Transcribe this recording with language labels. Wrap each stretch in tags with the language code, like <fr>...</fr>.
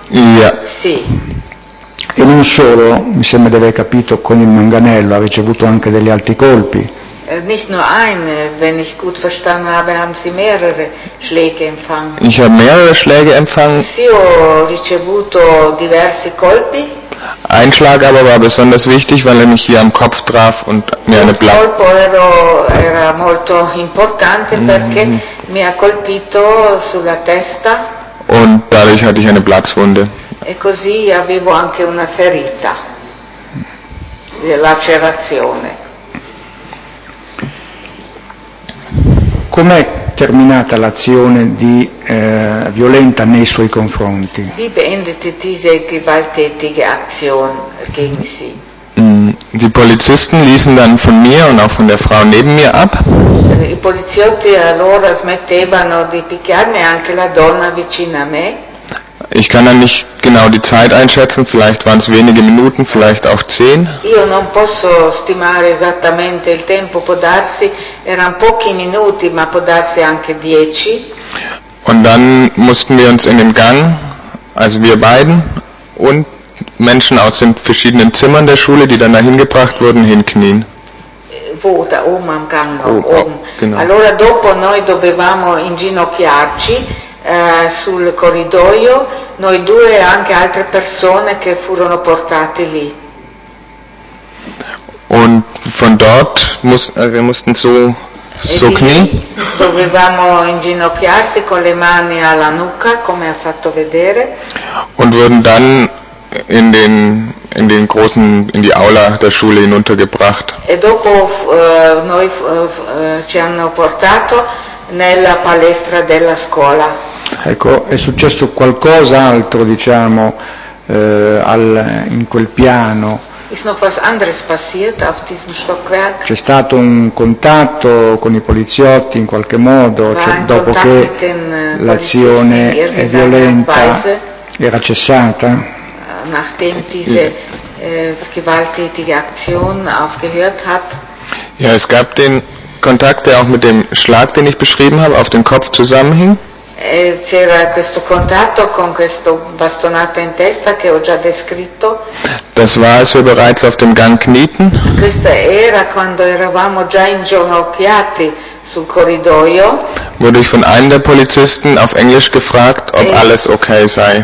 <de>Ja.</de> <it>Sì. E non solo, mi sembra di aver capito, con il manganello ha ricevuto anche degli altri colpi.</it> <de>Nicht nur ein, wenn ich gut verstanden habe, haben Sie mehrere Schläge empfangen. Ich habe mehrere Schläge empfangen.</de> <it>Sì, ho ricevuto diversi colpi.</it> <de>Ein Schlag aber war besonders wichtig, weil er mich hier am Kopf traf und mir eine blaue.</de> <it>Colpo era molto importante perché mi ha colpito sulla testa.</it> <de>Und dadurch hatte ich eine Platzwunde.</de> <it>E così avevo anche una ferita, lacerazione. Com'è terminata l'azione di violenta nei suoi confronti?</it> <de>Wie beendete diese gewalttätige Aktion gegen sie? Die Polizisten ließen dann von mir und auch von der Frau neben mir ab.</de> <it>I poliziotti allora smettevano di picchiarmi anche la donna vicino a me.</it> <de>Ich kann dann nicht genau die Zeit einschätzen, vielleicht waren es wenige Minuten, vielleicht auch 10.</de> <it>Io non posso stimare esattamente il tempo, può darsi erano pochi minuti, ma può darsi anche 10.</it> <de>Und dann mussten wir uns in den Gang, also wir beiden und Menschen aus den verschiedenen Zimmern der Schule, die dann dahin gebracht wurden, hinknien. Wo, da oben am Gang, oben.</de> <it>Allora dopo noi dovevamo inginocchiarci sul corridoio, noi due e anche altre persone che furono portate lì.</it> <de>Und von dort wir mussten so knien.</de> <it>Dovevamo inginocchiarsi con le mani alla nucca, come ha fatto vedere.</it> <de>Und wurden dann in den großen, in die Aula der Schule hinuntergebracht.</de> <it>E dopo noi ci hanno portato nella palestra della scuola. Ecco, è successo qualcos'altro, diciamo, in quel piano.</it> <de>Ist noch was anderes passiert auf diesem Stockwerk?</de> <it>C'è stato un contatto con i poliziotti in qualche modo, cioè, dopo che l'azione è violenta era cessata?</it> <de>Nachdem diese gewalttätige Aktion aufgehört hat. Ja, es gab den Kontakt, der auch mit dem Schlag, den ich beschrieben habe, auf den Kopf zusammenhing.</de> <it>C'era questo contatto con questo bastonato in testa che ho già descritto.</it> <de>Das war, als wir bereits auf dem Gang knieten.</de> <it>Questa era quando eravamo già inginocchiati sul corridoio.</it> <de>Wurde ich von einem der Polizisten auf Englisch gefragt, ob alles okay sei.</de>